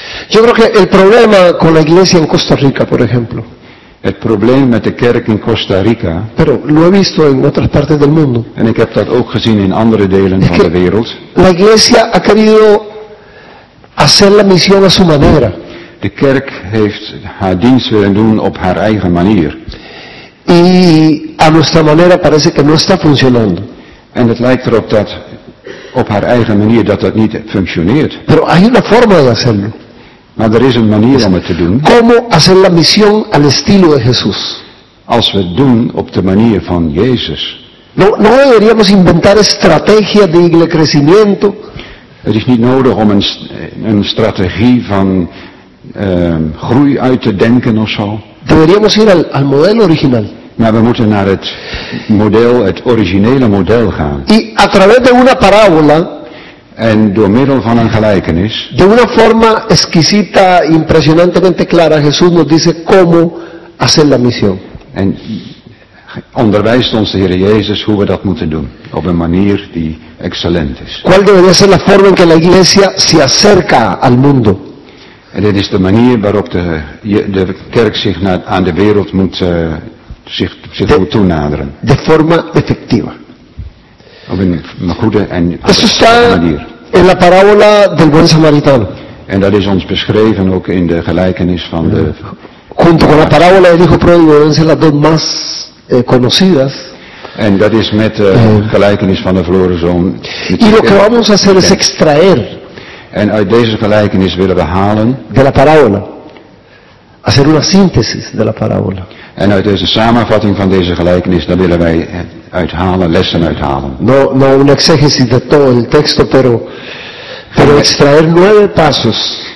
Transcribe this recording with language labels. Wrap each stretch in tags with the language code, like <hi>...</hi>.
<es>Yo creo que el problema con la iglesia en Costa Rica, por ejemplo.</es> <nl>Het probleem met de kerk in Costa Rica.</nl> <es>Pero lo he visto en otras partes del mundo.</es> <nl>En ik heb dat ook gezien in andere delen van de wereld.</nl> <es>La iglesia ha querido hacer la misión a su manera.</es> <nl>De kerk heeft haar dienst willen doen op haar eigen manier.</nl> <es>Y a nuestra manera parece que no está funcionando.</es> <nl>En het lijkt erop dat op haar eigen manier dat niet functioneert.</nl> <es>Pero hay una forma de hacerlo.</es> <nl>Maar er is een manier om het te doen.</nl> <es>¿Cómo hacer la misión al estilo de Jesús?</es> <nl>Als we het doen op de manier van Jezus.</nl> <es>No deberíamos inventar estrategias de iglesia crecimiento.</es> <nl>Het is niet nodig om een strategie van groei uit te denken of zo.</nl> <es>Deberíamos ir al modelo original.</es> <nl>Maar we moeten naar het model, het originele model gaan.</nl> <es>Y a través de una parábola.</es> <nl>En door middel van een gelijkenis.</nl> <es>De una forma exquisita, impresionantemente clara, Jesús nos dice cómo hacer la misión.</es> <nl>En onderwijst ons de Heer Jezus hoe we dat moeten doen. Op een manier die excellent is.</nl> <es>¿Cuál debería ser la forma en que la iglesia se acerca al mundo?</es> <nl>En dit is de manier waarop de kerk zich aan de wereld moet zich moet toenaderen.</nl> <es>De forma efectiva.</es> <nl>Op een goede en efficiënte manier.</nl> <es>En la parábola del buen samaritano.</es> <nl>En dat is ons beschreven ook in de gelijkenis van de.</nl> <es>Junto con la parábola del hijo pródigo, deben ser las dos más conocidas.</es> <nl>En dat is met de gelijkenis van de verloren zoon.</nl> <es>Y lo que vamos a hacer es extraer.</es> <nl>En uit deze gelijkenis willen we halen.</nl> <es>De la parábola. Hacer una síntesis de la parábola.</es> <nl>En uit deze samenvatting van deze gelijkenis, dan willen wij uithalen, lessen uithalen.</nl> <es>No una exégesis de todo el texto, pero extraer nueve pasos.</es>